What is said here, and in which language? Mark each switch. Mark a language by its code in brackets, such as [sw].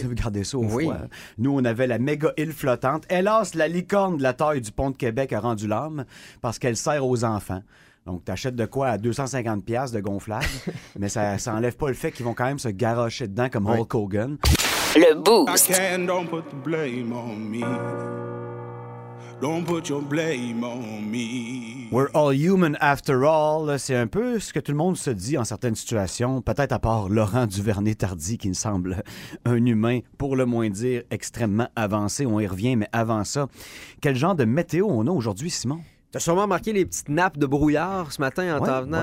[fr] Vous gardez ça au foie. Nous, on avait la méga île flottante. Hélas, la licorne de la taille du pont de Québec a rendu l'âme parce qu'elle sert aux enfants. Donc, t'achètes de quoi à 250$ de gonflage, mais ça n'enlève pas le fait qu'ils vont quand même se garocher dedans comme Hulk Hogan. Le Boost. [en] I can, don't put the blame on me. Don't put your blame on me. We're all human after all. [fr] C'est un peu ce que tout le monde se dit en certaines situations, peut-être à part Laurent Duvernay-Tardy, qui me semble un humain, pour le moins dire, extrêmement avancé. On y revient, mais avant ça, quel genre de météo on a aujourd'hui, Simon? T'as sûrement marqué les petites nappes de brouillard ce matin en ouais, t'en venant,